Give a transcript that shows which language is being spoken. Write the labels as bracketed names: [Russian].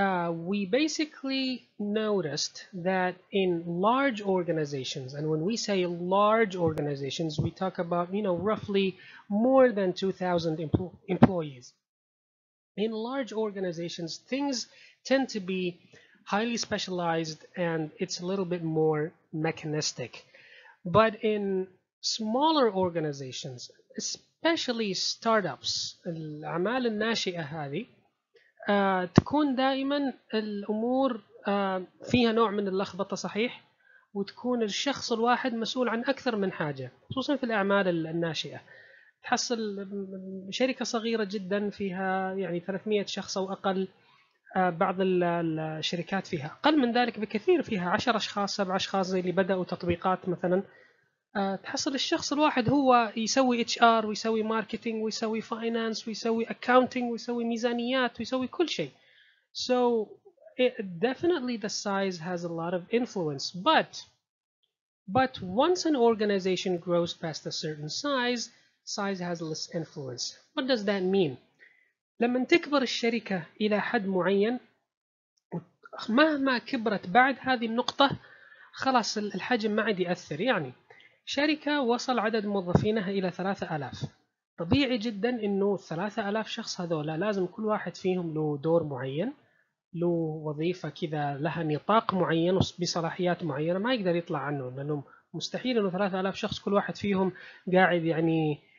[English] We basically noticed that in large organizations, and when we say large organizations, we talk about, roughly more than 2,000 employees. In large organizations, things tend to be highly specialized and it's a little bit more mechanistic. But in smaller organizations, especially startups, [Arabic] الأعمال الناشئة هذه تكون دائما الأمور فيها نوع من اللخبطة صحيح وتكون الشخص الواحد مسؤول عن أكثر من حاجة خصوصا في الأعمال الناشئة تحصل شركة صغيرة جدا فيها يعني 300 شخص أو أقل بعض الشركات فيها أقل من ذلك بكثير فيها 10 أشخاص 7 أشخاص زي اللي بدأوا تطبيقات مثلا تحصل الشخص الواحد هو يسوي اتش ار ويسوي ماركتينج ويسوي فاينانس ويسوي اكاونتينج ويسوي ميزانيات ويسوي كل شيء. [English] So it, definitely the size has a lot of influence but once an organization grows past a certain size has less influence. What does that mean? [Arabic] لما تكبر الشركة إلى حد معين مهما كبرت بعد هذه النقطة خلاص الحجم ما عاد يأثر يعني شركة وصل عدد موظفينها إلى 3000 طبيعي جدا إنه 3000 شخص هذولا لازم كل واحد فيهم له دور معين له وظيفة كذا لها نطاق معين بصلاحيات معينة ما يقدر يطلع عنه لأنه مستحيل إنه 3000 شخص كل واحد فيهم قاعد يعني